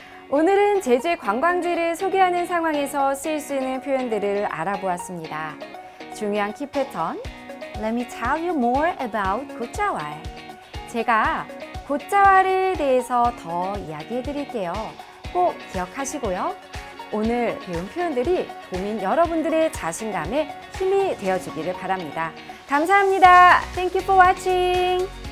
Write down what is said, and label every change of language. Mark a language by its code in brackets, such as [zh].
[ko] 오늘은 제주의 관광지를 소개하는 상황에서 쓸 수 있는 표현들을 알아보았습니다. 중요한 키패턴, [en] Let me tell you more about 고자왈. [ko] 제가 고자왈에 대해서 더 이야기해 드릴게요. 꼭 기억하시고요. 오늘 배운 표현들이 고민 여러분들의 자신감에 힘이 되어주기를 바랍니다. 감사합니다. [en] Thank you for watching.